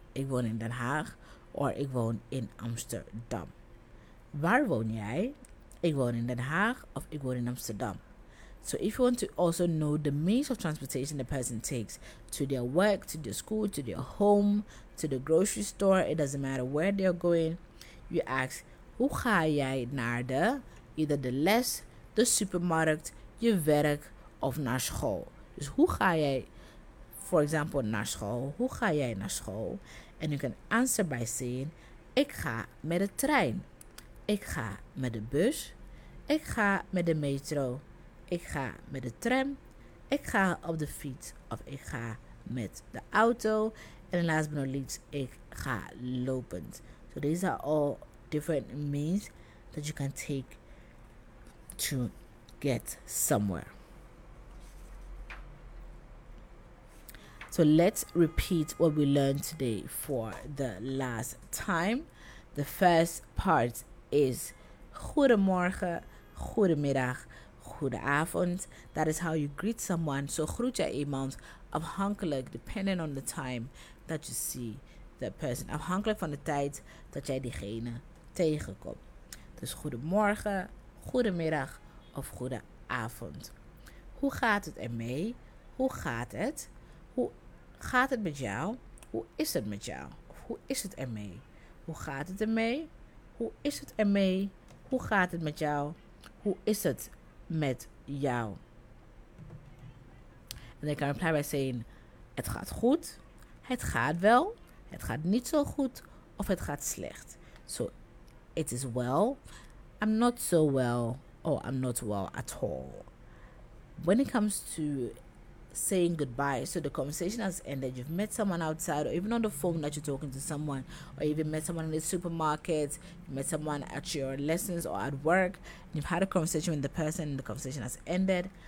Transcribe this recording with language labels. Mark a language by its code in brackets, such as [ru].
[nl] Ik woon in Den Haag, or ik woon in Amsterdam. Waar woon jij? Ik woon in Den Haag, of ik woon in Amsterdam. [en] So if you want to also know the means of transportation the person takes to their work, to their school, to their home, to the grocery store, it doesn't matter where they are going, you ask, [nl] hoe ga jij naar de, [en] either the les, the supermarkt, je werk, of naar school? [nl] Dus hoe ga jij, [en] for example, [nl] naar school, hoe ga jij naar school? [en] And you can answer by saying, [nl] ik ga met de trein, ik ga met de bus, ik ga met de metro, ik ga met de tram, ik ga op de fiets, of ik ga met de auto, en [en] last but not least, [nl] ik ga lopend. [en] So these are all different means that you can take to get somewhere. So let's repeat what we learned today for the last time. The first part is goedemorgen, goedemiddag, goedenavond. That is how you greet someone. So [nl] groet jij iemand afhankelijk, [en] depending on the time that you see the person. [nl] Afhankelijk van de tijd dat jij diegene tegenkomt. Dus goedemorgen, goedemiddag of goedenavond. Hoe gaat het ermee? Hoe gaat het? Hoe gaat het met jou? Hoe is het met jou? Of hoe is het ermee? Hoe gaat het ermee? Hoe is het ermee? Hoe gaat het met jou? Hoe is het met jou? En dan kan je [en] reply by saying, [nl] het gaat goed, het gaat wel, het gaat niet zo goed, of het gaat slecht. [en] So, it is well, I'm not so well, or I'm not well at all. When it comes to saying goodbye, so the conversation has ended, you've met someone outside, or even on the phone that you're talking to someone, or even met someone in the supermarket, you met someone at your lessons or at work, and you've had a conversation with the person, and the conversation has ended.